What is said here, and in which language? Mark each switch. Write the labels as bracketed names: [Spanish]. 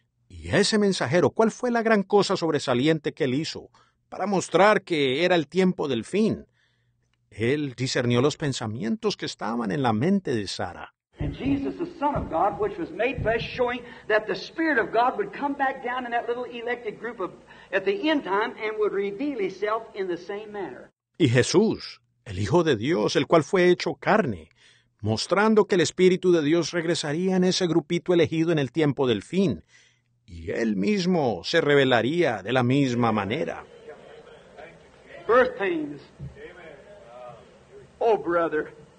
[Spanish] Y ese mensajero, ¿cuál fue la gran cosa sobresaliente que él hizo para mostrar que era el tiempo del fin? Él discernió los pensamientos que estaban en la mente de Sara. [English] And Jesus, the Son of God, which was made flesh, showing that the Spirit of God would come back down in that little elected group of, at the end time and would reveal Himself in the same manner. [Spanish] Y Jesús, el Hijo de Dios, el cual fue hecho carne, mostrando que el Espíritu de Dios regresaría en ese grupito elegido en el tiempo del fin, y Él mismo se revelaría de la misma manera. [English] Birth pains. Oh, brother.